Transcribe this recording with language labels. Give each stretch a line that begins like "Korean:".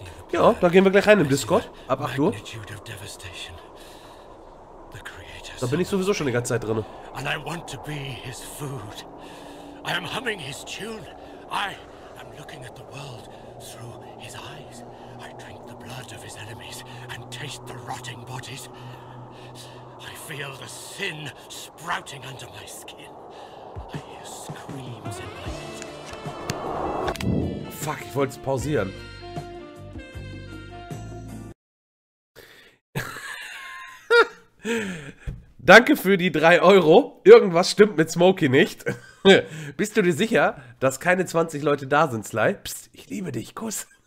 German: Ja, da gehen wir gleich rein im Discord. Ab 8 Uhr. Da bin ich sowieso schon die ganze Zeit drin.
English: And I want to be his food. I am humming his tune. I am looking at the world through his eyes. I drink the blood of his enemies and taste the rotting bodies. I feel the sin sprouting under my skin. I hear screams in my head.
German: Fuck, ich wollte es pausieren. Danke für die 3 Euro. Irgendwas stimmt mit Smokey nicht. Bist du dir sicher, dass keine 20 Leute da sind, Sly? Psst, ich liebe dich. Kuss.